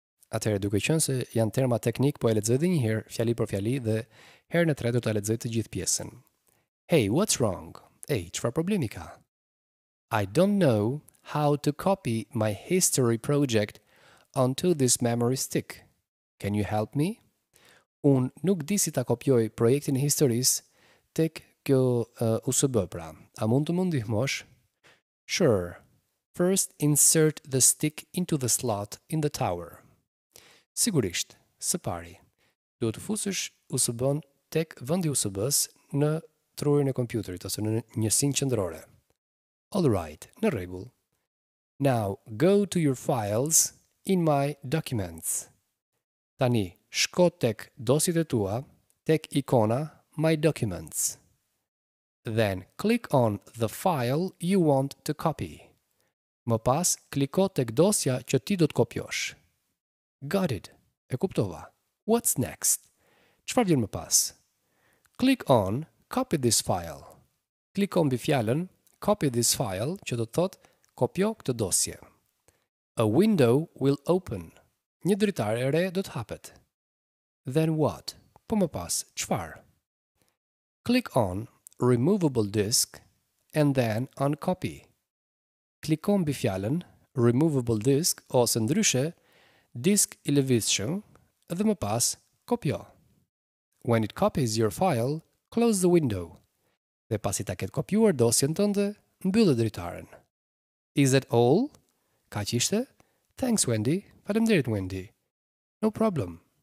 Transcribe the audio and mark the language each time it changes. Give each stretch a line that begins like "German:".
Albanian: Atëherë, duke qenë se janë terma teknik, po e lexoj edhe një herë, fjali për fjali, dhe herën e tretë do ta lexoj të gjithë pjesën.
English: Hey, what's wrong?
Albanian: Hey, çfarë problemi ka?
English: I don't know how to copy my history project onto this memory stick. Can you help me?
Albanian: Un nuk di si ta kopjoj projektin e historisë tek kjo USB, pra. A mund të më ndihmosh? Sure.
English: First insert the stick into the slot in the tower.
Albanian: Sigurisht, së pari, duhet të fusësh USB-n tek vendi i USB-s në trurin e kompjuterit ose në njësinë qendrore.
English: All right,
Albanian: në rregull.
English: Now go to your files in my documents.
Albanian: Tani, shko tek dosjet e tua, tek ikona My Documents.
English: Then click on the file you want to copy.
Albanian: Më pas, kliko tek dosja që ti do të kopjosh.
English: Got it.
Albanian: E kuptova.
English: What's next?
Albanian: Çfarë vjen më pas?
English: Click on copy this file.
Albanian: Kliko mbi fjalën
English: copy this file
Albanian: që do të thotë kopjo këtë dosje.
English: A window will open.
Albanian: Një dritare e re do të hapet.
English: Then what?
Albanian: Po më pas, çfarë?
English: Click on removable disk and then on copy.
Albanian: Kliko mbi fjalën
English: removable disk
Albanian: ose ndryshe disk i lëvizshëm dhe më pas kopjo.
English: When it copies your file, close the window.
Albanian: Dhe pasi ta ketë kopjuar dosjen tënde, mbyllë dritaren.
English: Is that all?
Albanian: Kaq ishte?
English: Thanks, Wendy.
Albanian: Faleminderit, Wendy.
English: No problem.